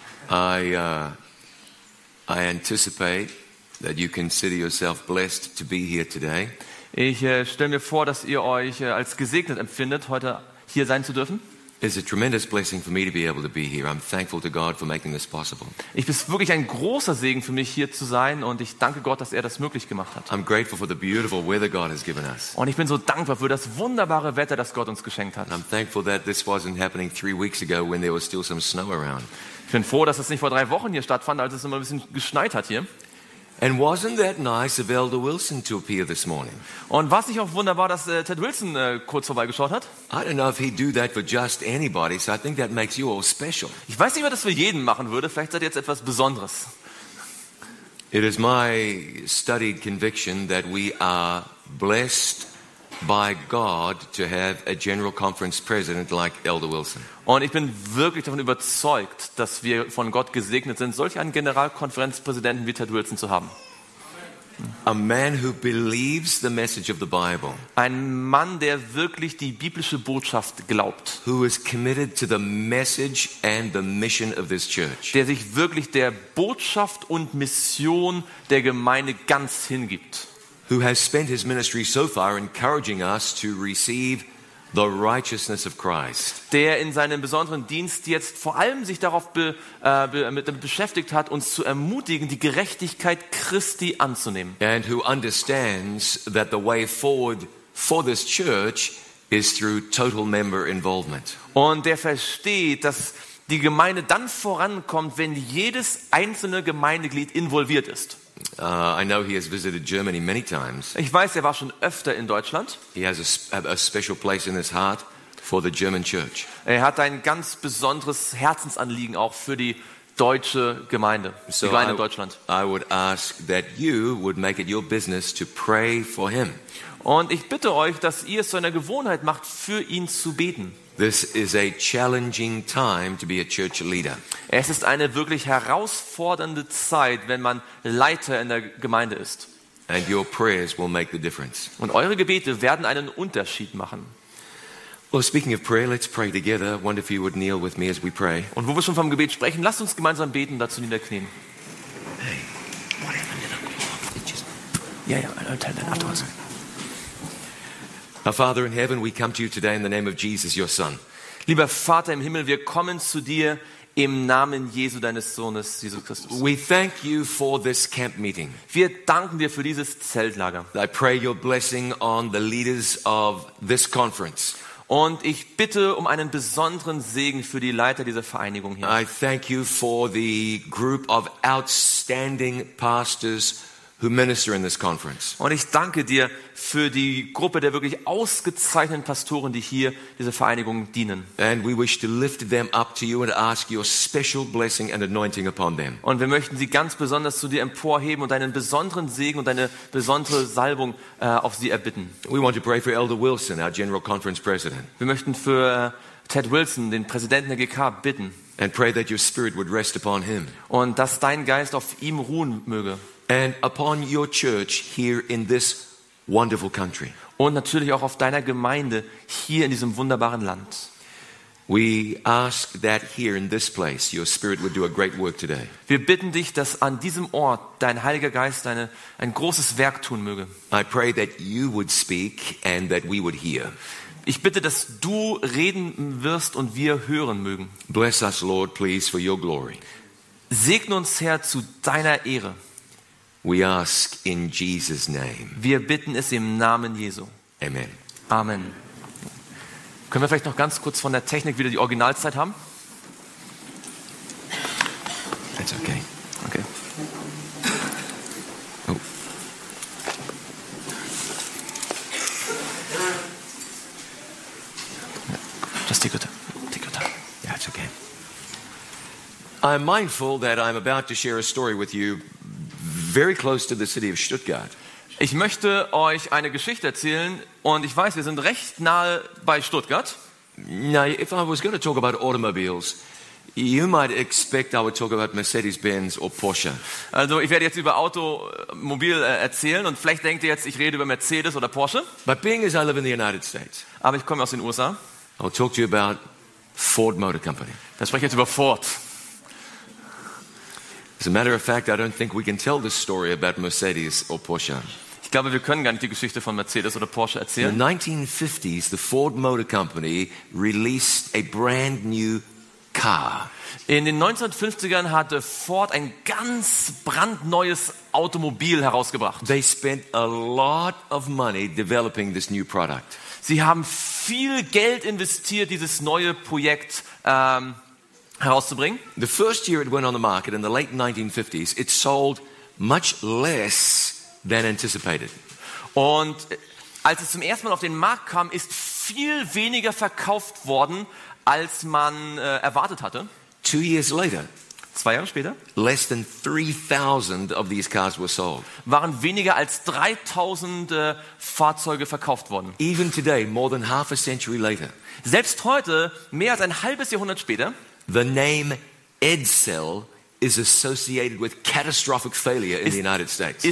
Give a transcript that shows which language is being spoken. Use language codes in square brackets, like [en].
[en] I anticipate that you consider yourself blessed to be here today. [de] Ich stelle mir vor, dass ihr euch als gesegnet empfindet, heute hier sein zu dürfen. [en] It's a tremendous blessing for me to be able to be here. I'm thankful to God for making this possible. [de] Ich bin wirklich ein großer Segen für mich hier zu sein und ich danke Gott, dass er das möglich gemacht hat. [en] I'm grateful for the beautiful weather God has given us. [de] Und ich bin so dankbar für das wunderbare Wetter, das Gott uns geschenkt hat. [en] And I'm thankful that this wasn't happening 3 weeks ago when there was still some snow around. [de] Ich bin froh, dass das nicht vor 3 Wochen hier stattfand, als es immer ein bisschen geschneit hat hier. [en] And wasn't that nice of Elder Wilson to appear this morning? [de] Und war es nicht auch wunderbar, dass Ted Wilson kurz vorbeigeschaut hat? [en] I don't know if he'd do that for just anybody, so I think that makes you all special. [de] Ich weiß nicht, ob er das für jeden machen würde. Vielleicht seid ihr jetzt etwas Besonderes. [en] It is my studied conviction that we are blessed by God to have a general conference president like Elder Wilson. [de] Und ich bin wirklich davon überzeugt, dass wir von Gott gesegnet sind, solch einen Generalkonferenzpräsidenten wie Ted Wilson zu haben. [en] A man who believes the message of the Bible. [de] Ein Mann, der wirklich die biblische Botschaft glaubt. [en] Who is committed to the message and the mission of this church. [de] Der sich wirklich der Botschaft und Mission der Gemeinde ganz hingibt. [en] Who has spent his ministry so far encouraging us to receive the righteousness of Christ. [de] Der in seinem besonderen Dienst jetzt vor allem sich darauf damit beschäftigt hat, uns zu ermutigen, die Gerechtigkeit Christi anzunehmen. [en] And who understands that the way forward for this church is through total member involvement. [de] Und der versteht, dass die Gemeinde dann vorankommt, wenn jedes einzelne Gemeindeglied involviert ist. [en] I know he has visited Germany many times. [de] Ich weiß, er war schon öfter in Deutschland. [en] He has a special place in his heart for the German church. [de] Er hat ein ganz besonderes Herzensanliegen auch für die deutsche Gemeinde, so die Gemeinde in Deutschland. [en] I would ask that you would make it your business to pray for him. [de] Und ich bitte euch, dass ihr es zu einer Gewohnheit macht, für ihn zu beten. [en] This is a challenging time to be a church leader. [de] Es ist eine wirklich herausfordernde Zeit, wenn man Leiter in der Gemeinde ist. [en] And your prayers will make the difference. [de] Und eure Gebete werden einen Unterschied machen. [en] Well, speaking of prayer, let's pray together. I wonder if you would kneel with me as we pray. [de] Und wo wir schon vom Gebet sprechen, lasst uns gemeinsam beten, dazu niederknien. [en] Hey, whatever. Yeah, yeah, I'll tell them afterwards. Our Father in heaven, we come to you today in the name of Jesus, your Son. [de] Lieber Vater im Himmel, wir kommen zu dir im Namen Jesu, deines Sohnes, Jesus Christus. [en] We thank you for this camp meeting. [de] Wir danken dir für dieses Zeltlager. [en] I pray your blessing on the leaders of this conference. [de] Und ich bitte um einen besonderen Segen für die Leiter dieser Vereinigung hier. [en] I thank you for the group of outstanding pastors who minister in this conference. [de] Und ich danke dir für die Gruppe der wirklich ausgezeichneten Pastoren, die hier dieser Vereinigung dienen. [en] And we wish to lift them up to you and ask your special blessing and anointing upon them. [de] Und wir möchten sie ganz besonders zu dir emporheben und deinen besonderen Segen und deine besondere Salbung auf sie erbitten. [en] We want to pray for Elder Wilson, our General Conference President. [de] Wir möchten für Ted Wilson, den Präsidenten der GK, bitten. [en] And pray that your spirit would rest upon him. [de] Und dass dein Geist auf ihm ruhen möge. [en] And upon your church here in this wonderful country. [de] Und natürlich auch auf deiner Gemeinde hier in diesem wunderbaren Land. [en] We ask that here in this place your spirit would do a great work today. [de] Wir bitten dich, dass an diesem Ort dein Heiliger Geist ein großes Werk tun möge. [en] I pray that you would speak and that we would hear. [de] Ich bitte, dass du reden wirst und wir hören mögen. [en] Bless us, Lord, please, for your glory. [de] Segne uns, Herr, zu deiner Ehre. [en] We ask in Jesus' name. [de] Wir bitten es im Namen Jesu. [en] Amen. [de] Amen. Können wir vielleicht noch ganz kurz von der Technik wieder die Originalzeit haben? [en] That's okay. Okay. Oh. Just take it. Yeah, it's okay. I'm mindful that I'm about to share a story with you. Very close to the city of Stuttgart. [de] Ich möchte euch eine Geschichte erzählen und ich weiß, wir sind recht nahe bei Stuttgart. [en] Now, if I was going to talk about automobiles, you might expect I would talk about Mercedes-Benz or Porsche. [de] Also, ich werde jetzt über Automobil erzählen und vielleicht denkt ihr jetzt, ich rede über Mercedes oder Porsche. [en] But being as I live in the United States. [de] Aber ich komme aus den USA. [en] I'll talk to you about Ford Motor Company. [de] Da spreche ich jetzt über Ford. [en] As a matter of fact, I don't think we can tell this story about Mercedes or Porsche. [de] Ich glaube, wir können gar nicht die Geschichte von Mercedes oder Porsche erzählen. [en] In the 1950s, the Ford Motor Company released a brand new car. [de] In den 1950ern hatte Ford ein ganz brandneues Automobil herausgebracht. [en] They spent a lot of money developing this new product. [de] Sie haben viel Geld investiert, dieses neue Projekt herauszubringen. [en] The first year it went on the market in the late 1950s, it sold much less than anticipated. [de] Und als es zum ersten Mal auf den Markt kam, ist viel weniger verkauft worden, als man erwartet hatte. [en] 2 years later, [de] 2 Jahre später, [en] less than 3,000 of these cars were sold. [de] Waren weniger als 3,000 Fahrzeuge verkauft worden. [en] Even today, more than half a century later, [de] selbst heute, mehr als ein halbes Jahrhundert später, [en] the name Edsel is associated with catastrophic failure in the United States.